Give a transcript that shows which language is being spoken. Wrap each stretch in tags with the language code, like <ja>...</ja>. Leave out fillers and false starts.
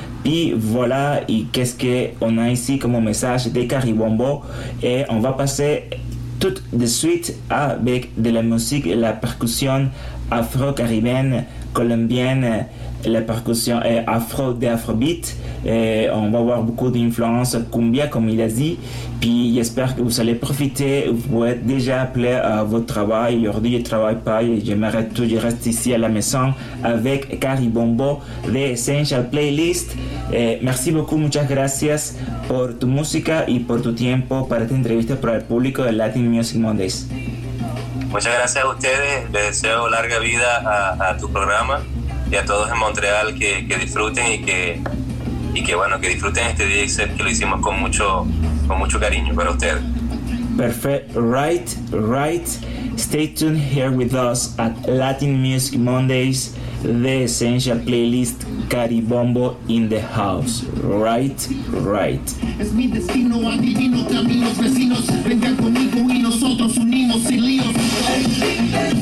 <fr>Puis voilà, et qu'est-ce qu'on a ici comme message de Caribombo, et on va passer tout de suite avec de la musique, la percussion afro-caribéenne, colombienne, la percussion est afro d'afrobeat, et on va avoir beaucoup d'influence cumbia comme il a dit. Puis j'espère que vous allez profiter, vous êtes déjà appelé à votre travail. Aujourd'hui je ne travaille pas, j'aimerais toujours rester ici à la maison avec Caribombo de Essential Playlist. Et merci beaucoup,</fr> <es>muchas gracias por tu música y por tu tiempo para esta entrevista para el público de Latin Music Mondays. Muchas gracias a ustedes, les deseo larga vida a tu programa y a todos en Montreal que disfruten y que bueno, que disfruten este día, except que lo hicimos con mucho cariño para ustedes.</es> <en>Perfect, right. Stay tuned here with us at Latin Music Mondays, the essential playlist, Caribombo in the house. Right.</en> <es>Es mi destino, adivino caminos, vecinos, vengan conmigo y nosotros unimos sin líos.</es>